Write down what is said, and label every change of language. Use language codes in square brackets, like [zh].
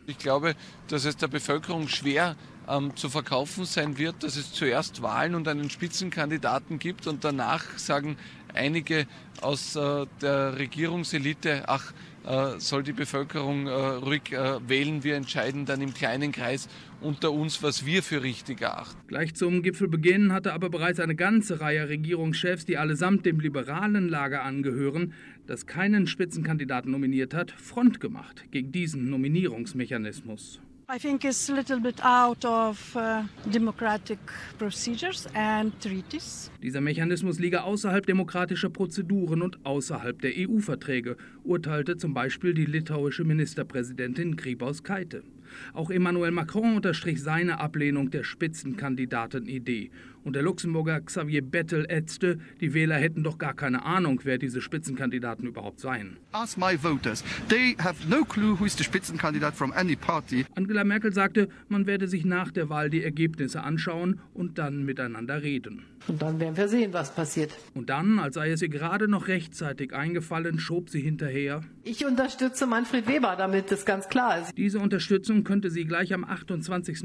[de] Ich glaube, dass es der Bevölkerung schwer zu verkaufen sein wird, dass es zuerst Wahlen und einen Spitzenkandidaten gibt und danach sagen einige aus der Regierungselite, ach, soll die Bevölkerung ruhig wählen, wir entscheiden dann im kleinen Kreis unter uns, was wir für richtig erachten. Gleich zum Gipfelbeginn hatte aber bereits eine ganze Reihe Regierungschefs, die allesamt dem liberalen Lager angehören, das keinen Spitzenkandidaten nominiert hat, Front gemacht gegen diesen Nominierungsmechanismus. [en] I think it's a little bit out of democratic procedures and treaties. [de] Dieser Mechanismus liege außerhalb demokratischer Prozeduren und außerhalb der EU-Verträge, urteilte zum Beispiel die litauische Ministerpräsidentin Grybauskaitė. Auch Emmanuel Macron unterstrich seine Ablehnung der Spitzenkandidaten-Idee. Und der Luxemburger Xavier Bettel ätzte, die Wähler hätten doch gar keine Ahnung, wer diese Spitzenkandidaten überhaupt seien. [en] Ask my voters. They have no clue who is the Spitzenkandidat from any party. [de] Angela Merkel sagte, man werde sich nach der Wahl die Ergebnisse anschauen und dann miteinander reden. Und dann werden wir sehen, was passiert. Und dann, als sei es ihr gerade noch rechtzeitig eingefallen, schob sie hinterher. Ich unterstütze Manfred Weber, damit das ganz klar ist. Diese Unterstützung könnte sie gleich am 28.